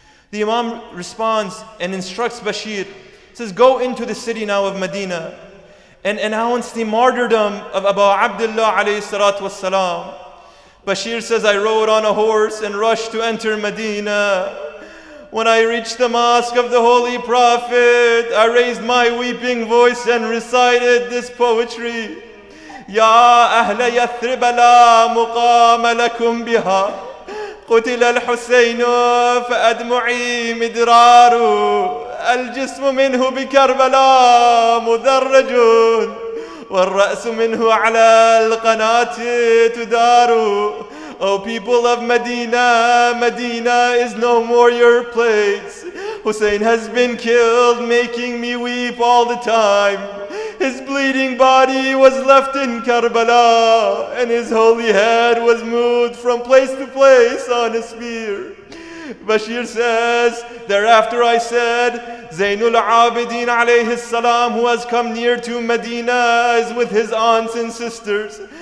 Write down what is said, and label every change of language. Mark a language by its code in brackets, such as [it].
[en] The Imam responds and instructs Bashir, says, "Go into the city now of Medina and announce the martyrdom of Abu Abdullah alayhi salatu wassalam." Bashir says, "I rode on a horse and rushed to enter Medina. When I reached the mosque of the Holy Prophet, I raised my weeping voice and recited this poetry. [ar] Ya ahla Yathrib la muqama lakum biha. قتل الحسين فأدمعي مدرار الجسم منه بكربلاء مدرج والرأس منه على القناة تدار [en] O people of Medina, Medina is no more your place. Hussein has been killed, making me weep all the time. His bleeding body was left in Karbala, and his holy head was moved from place to place on a spear." Bashir says, "Thereafter I said, Zainul Abideen alayhi salam, who has come near to Medina, is with his aunts and sisters.